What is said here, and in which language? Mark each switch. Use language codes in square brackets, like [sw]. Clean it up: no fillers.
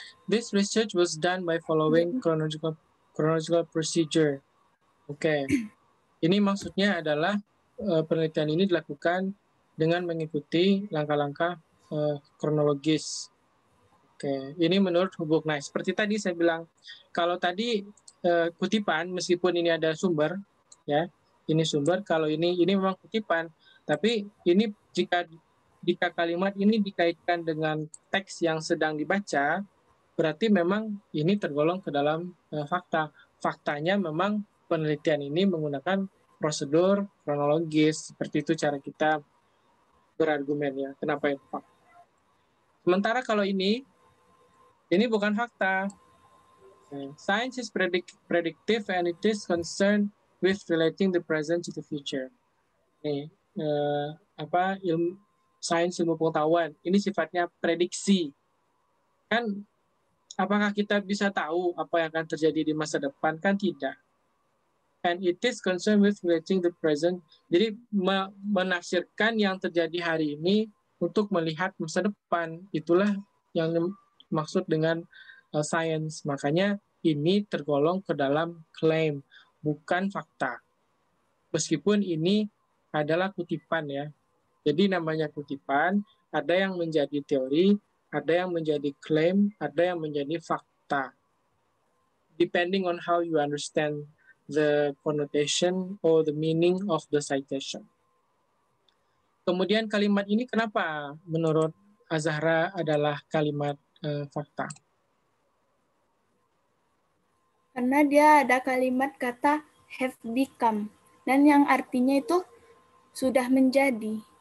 [en] This research was done by following chronological procedure. Okay. [id] Ini maksudnya adalah penelitian ini dilakukan dengan mengikuti langkah-langkah kronologis. Okay. Ini menurut Hubbuck. Nah, seperti tadi saya bilang, kalau tadi kutipan, meskipun ini ada sumber, ya, ini sumber, kalau ini memang kutipan, tapi ini jika kalimat ini dikaitkan dengan teks yang sedang dibaca, berarti memang ini tergolong ke dalam fakta. Faktanya memang penelitian ini menggunakan prosedur kronologis. Seperti itu cara kita berargumen ya. Kenapa itu fakta? Sementara kalau ini bukan fakta. [en] Science is predictive and it is concerned with relating the present to the future. [id] Ilmu pengetahuan ini sifatnya prediksi kan, apakah kita bisa tahu apa yang akan terjadi di masa depan, kan tidak. [en] And it is concerned with reaching the present, [id] jadi menafsirkan yang terjadi hari ini untuk melihat masa depan, itulah yang maksud dengan science. Makanya ini tergolong ke dalam claim, bukan fakta, meskipun ini adalah kutipan ya. Jadi namanya kutipan, ada yang menjadi teori, ada yang menjadi klaim, ada yang menjadi fakta. [en] Depending on how you understand the connotation or the meaning of the citation. [id] Kemudian kalimat ini kenapa menurut Azahra adalah kalimat fakta? Karena dia ada kalimat kata have become. Dan yang artinya itu sudah menjadi.